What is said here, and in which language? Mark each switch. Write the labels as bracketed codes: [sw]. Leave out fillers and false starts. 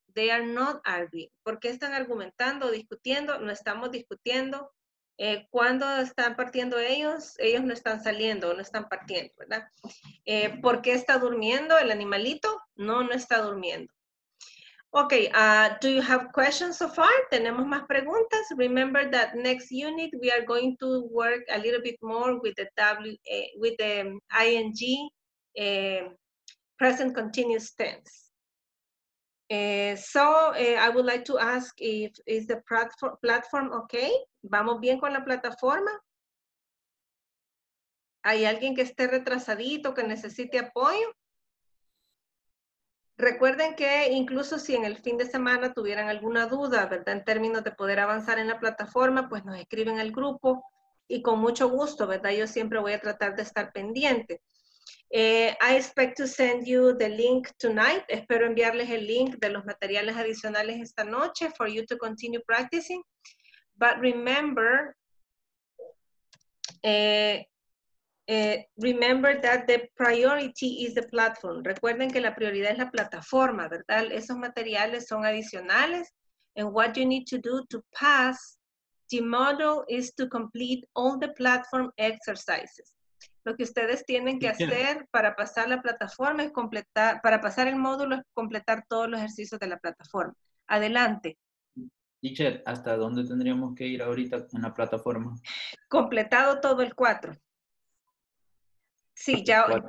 [en] They are not arguing. [es] ¿Por qué están argumentando, discutiendo? No estamos discutiendo. ¿Cuándo están partiendo ellos? Ellos no están saliendo, no están partiendo, ¿verdad? ¿Por qué está durmiendo el animalito? No, no está durmiendo. [en] Okay, do you have questions so far? [es] Tenemos más preguntas. [en] Remember that next unit we are going to work a little bit more with the ing present continuous tense. I would like to ask if is the platform okay? [es] ¿Vamos bien con la plataforma? ¿Hay alguien que esté retrasadito, que necesite apoyo? Recuerden que incluso si en el fin de semana tuvieran alguna duda, ¿verdad? En términos de poder avanzar en la plataforma, pues nos escriben al grupo y con mucho gusto, ¿verdad? Yo siempre voy a tratar de estar pendiente. [en] I expect to send you the link tonight. [es] Espero enviarles el link de los materiales adicionales esta noche [en] for you to continue practicing. But remember, remember that the priority is the platform. [es] Recuerden que la prioridad es la plataforma, ¿verdad? Esos materiales son adicionales. [en] And what you need to do to pass the module is to complete all the platform exercises. [es] Lo que ustedes tienen que hacer para pasar la plataforma es completar, para pasar el módulo es completar todos los ejercicios de la plataforma. Adelante. Teacher, ¿hasta dónde tendríamos que ir ahorita en la plataforma? Completado todo el 4. Sí, ya.